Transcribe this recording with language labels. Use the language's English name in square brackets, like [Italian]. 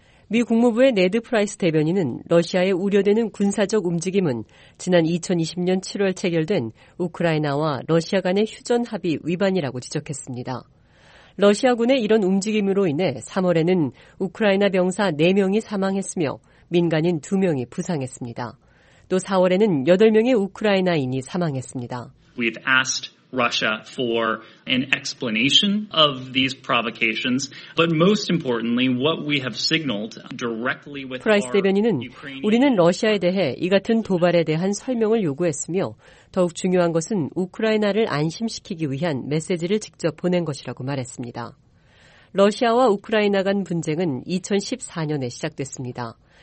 [Korean] 미 국무부의 네드 프라이스 대변인은 러시아의 우려되는 군사적 움직임은 지난 2020년 7월 체결된 우크라이나와 러시아 간의 휴전 합의 위반이라고 지적했습니다. 러시아군의 이런 움직임으로 인해 3월에는 우크라이나 병사 4명이 사망했으며 민간인 2명이 부상했습니다. 또 4월에는 8명의 우크라이나인이 사망했습니다. [English] We've asked Russia for an explanation of these provocations, but most importantly, what we have signaled directly with our [Korean] 프라이스 대변인은 우리는 러시아에 대해 이 같은 도발에 대한 설명을 요구했으며 더욱 중요한 것은 우크라이나를 안심시키기 위한 메시지를 직접 보낸 것이라고 말했습니다. 러시아와 우크라이나 간 분쟁은 2014년에 시작됐습니다.